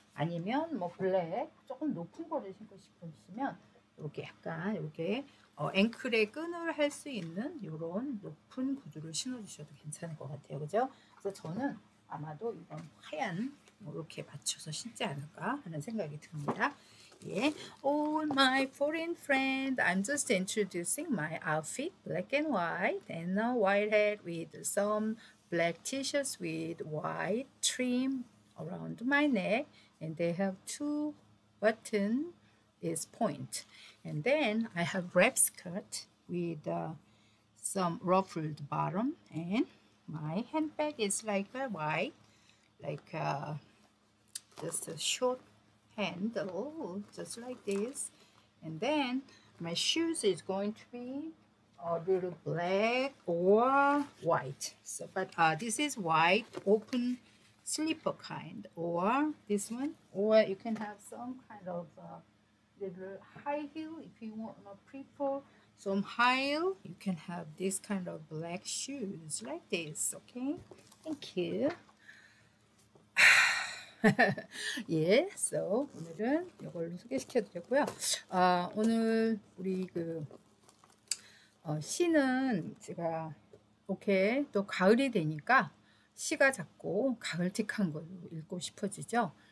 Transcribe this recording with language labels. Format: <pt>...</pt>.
<ko>아니면 뭐 블랙 조금 높은 거를 신고 싶으시면 이렇게 약간 이렇게 앵클에 끈을 할수 있는 이런 높은 구두를 신어주셔도 괜찮을 것 같아요, 그죠? 그래서 저는 아마도 이런 하얀 뭐 이렇게 맞춰서 신지 않을까 하는 생각이 듭니다. 예.</ko> <en>Oh, my foreign friend, I'm just introducing my outfit, black and white, and a white hat with some black t-shirts with white trim around my neck, and they have two button is point, and then I have wrap skirt with some ruffled bottom, and my handbag is like a white, like a just a short handle, just like this. And then my shoes is going to be a little black or white. So, but this is white open slipper kind, or this one, or you can have some kind of little high heel if you want to prefer some high heel. You can have this kind of black shoes like this. Okay, thank you.</en> <ko>예, so 오늘은 이걸로 소개시켜 드렸고요. 오늘 우리 씨는 제가 오케이, 또 가을이 되니까 씨가 자꾸 가을틱한 걸 읽고 싶어지죠.</ko>